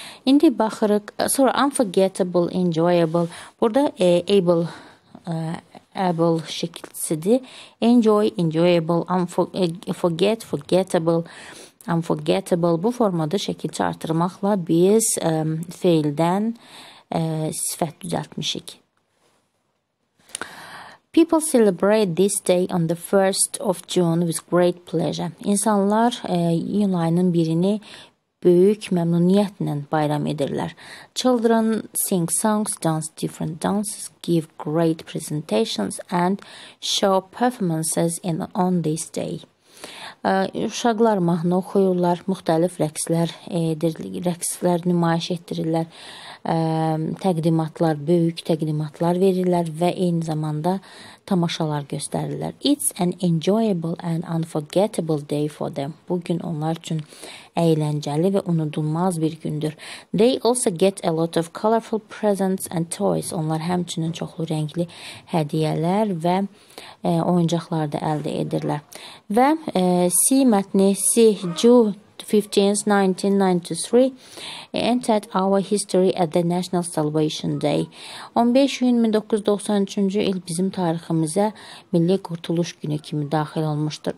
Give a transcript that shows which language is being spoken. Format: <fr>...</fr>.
<az>İndi baxırıq, sonra unforgettable, enjoyable, burada able, able şəkilçisidir. Enjoy, enjoyable, forget, forgettable, unforgettable bu formada şəkilçi artırmaqla biz feildən sifət düzəltmişik.</az> <en>People celebrate this day on the 1st of June with great pleasure.</en> <az>İnsanlar iyun ayının birini böyük məmnuniyyətlə bayram edirlər.</az> <en>Children sing songs, dance different dances, give great presentations and show performances on this day.</en> <az>Uşaqlar mahnı oxuyurlar, müxtəlif rəqslər edirlər, rəqslər nümayiş etdirirlər, təqdimatlar, böyük təqdimatlar verirlər və eyni zamanda tamaşalar göstərirlər.</az> <en>It's an enjoyable and unforgettable day for them.</en> <az>Bugün onlar üçün əyləncəli və unudulmaz bir gündür.</az> <en>They also get a lot of colorful presents and toys.</en> <az>Onlar həmçinin çoxlu rəngli hədiyələr və oyuncaqlar da əldə edirlər. Və C mətni,</az> <en>C, June 15th, 1993, entered our history at the National Salvation Day.</en> <az>15 iyun 1993-cü il bizim tariximizə Milli Qurtuluş Günü kimi daxil olmuşdur.</az>